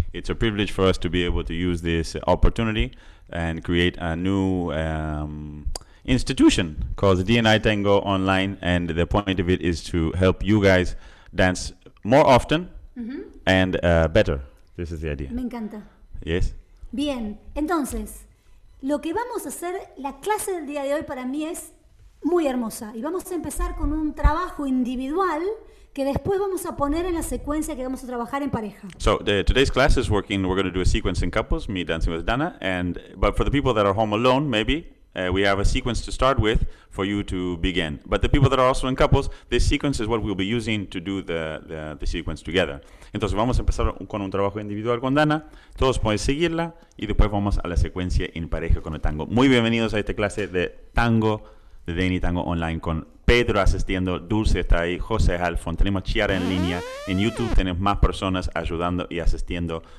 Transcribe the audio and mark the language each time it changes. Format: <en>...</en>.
<en>It's a privilege for us to be able to use this opportunity and create a new institution called DNI Tango Online. And the point of it is to help you guys dance more often. Mm-hmm. And better. This is the idea.</en> <es>Me encanta.</es> <en>Yes.</en> <es>Bien. Entonces, lo que vamos a hacer, la clase del día de hoy para mí es muy hermosa. Y vamos a empezar con un trabajo individual que después vamos a poner en la secuencia que vamos a trabajar en pareja.</es> <en>So, today's class is working. We're going to do a sequence in couples, me dancing with Dana. But for the people that are home alone, maybe, we have a sequence to start with for you to begin. But the people that are also in couples, this sequence is what we'll be using to do the sequence together.</en> <es>Entonces vamos a empezar con un trabajo individual con Dana. Todos pueden seguirla y después vamos a la secuencia en pareja con el tango. Muy bienvenidos a esta clase de tango, de DNI Tango Online, con Pedro asistiendo, Dulce está ahí, José Alfon. Tenemos Chiara en línea. En YouTube tenemos más personas ayudando y asistiendo.</es>